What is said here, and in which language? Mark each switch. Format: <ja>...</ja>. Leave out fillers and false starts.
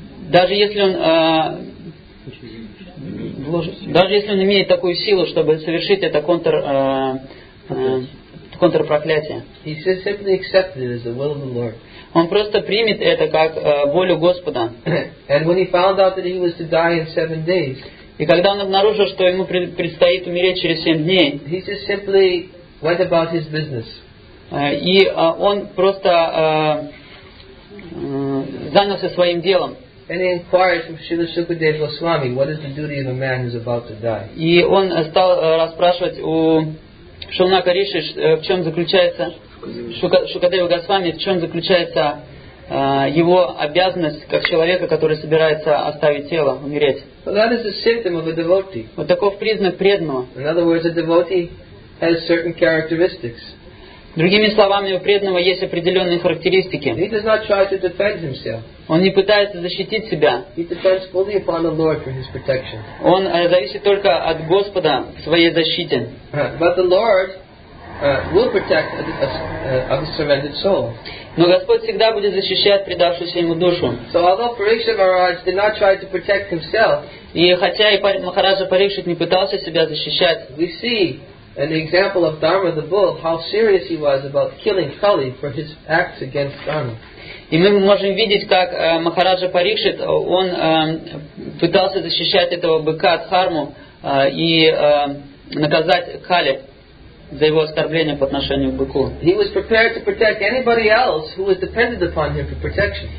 <ru>Даже если он имеет такую силу, чтобы совершить это контрпроклятие,</ru> <en>he just simply accepted it as the will of the Lord.</en> <ru>Он просто примет это как волю Господа.</ru> <en>And when he found out that he was to die in 7 days,</en> <ru>и когда он обнаружил, что ему предстоит умереть через 7 дней,</ru> <en>he just simply went about his business.</en> <ru>И он просто занялся своим делом.</ru> <en>And he inquired from Srila Sukadeva Goswami, what is the duty of a man who is about to die?</en> <ru>И он стал расспрашивать у Шрилы Кариши, в чем заключается Шукадева Госвами, в чем заключается его обязанность как человека, который собирается оставить тело, умереть.</ru> <en>Well, that is a symptom of a devotee.</en> <ru>Вот таков признак преданного.</ru> <en>In other words, a devotee has certain characteristics.</en> <ru>Другими словами, у преданного есть определенные характеристики.</ru> <en>He does not try to defend himself.</en> <ru>Он не пытается защитить себя.</ru> <en>He depends fully upon the Lord for his protection.</en> <ru>Он зависит только от Господа в своей защите.</ru> <en>But the Lord will protect a surrendered soul.</en> <ru>Но Господь всегда будет защищать предавшуюся ему душу.</ru> <en>So although Parikshit Maharaj did not try to protect himself,</en> <ru>и хотя и Махараджа Парикшит не пытался себя защищать,</ru> <en>we see an example of Dharma the Bull, how serious he was about killing Kali for his acts against Dharma.</en> <ru>И мы можем видеть, как Махараджа Парикшит, он пытался защищать этого быка Дхарму и наказать Кали за его оскорбление по отношению к быку.</ru> <en>He was prepared to protect anybody else who was dependent upon him for protection.</en>